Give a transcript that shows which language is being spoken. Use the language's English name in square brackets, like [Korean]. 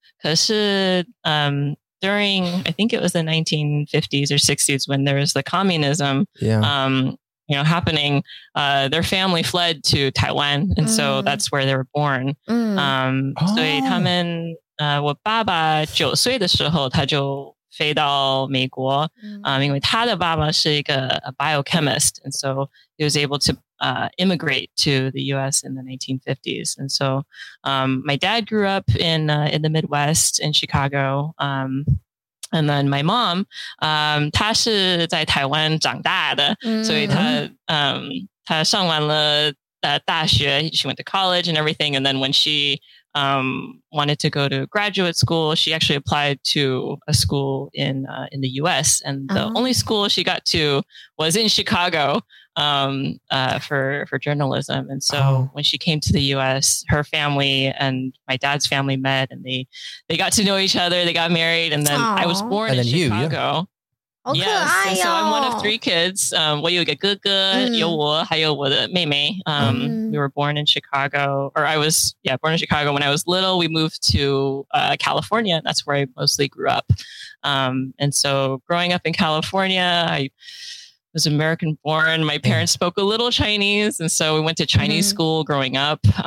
[Chinese] 可是 [English] during I think it was the 1950s or 60s when there was the communism. Yeah. You know, happening. Their family fled to Taiwan, and so that's where they were born. [Chinese] 所以他们我爸爸九岁的时候他就。飞到美国、因为他的爸爸是一个 [English] biochemist, and so he was able to immigrate to the US in the 1950s. And so my dad grew up in the Midwest in Chicago. And then my mom, [Chinese] 她是在台湾长大的、所以她上完了大学 [English] she went to college and everything. And then when she... wanted to go to graduate school. She actually applied to a school in the U.S. And the only school she got to was in Chicago for journalism. And so when she came to the U.S., her family and my dad's family met and they got to know each other. They got married. And then I was born and then in you, Chicago. Yeah. Oh, yes. So I'm one of three kids. [Chinese] 我有一个哥哥，有我，还有我的妹妹。 [English] We were born in Chicago, or I was, yeah, born in Chicago. When I was little, we moved to California. That's where I mostly grew up. And so growing up in California, I was American born. My parents spoke a little Chinese. And so we went to Chinese school growing up.